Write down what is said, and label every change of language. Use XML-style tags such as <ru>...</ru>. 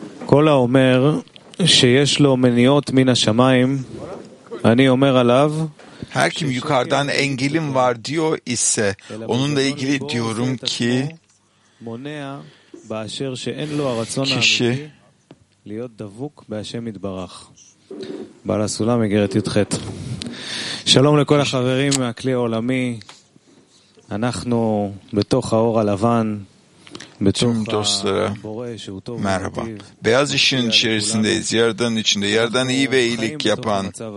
<he>אומר שיש לו מניעות מן השמיים אני אומר עליו</he> <tr>her kim yukarıdan engelim var diyor ise onunla ilgili diyorum ki</tr> <he>מונה באשר שאין לו הרצון האמיתי להיות דבוק בהשם יתברך בעל הסולם הגרת י"ח שלום לכל החברים מהכלי העולמי אנחנו בתוך האור הלבן</he> <tr>Tüm dostlara merhaba. Beyaz ışığın içerisindeyiz. Yaradan içinde. Yaradan iyi ve iyilik yapan.</tr>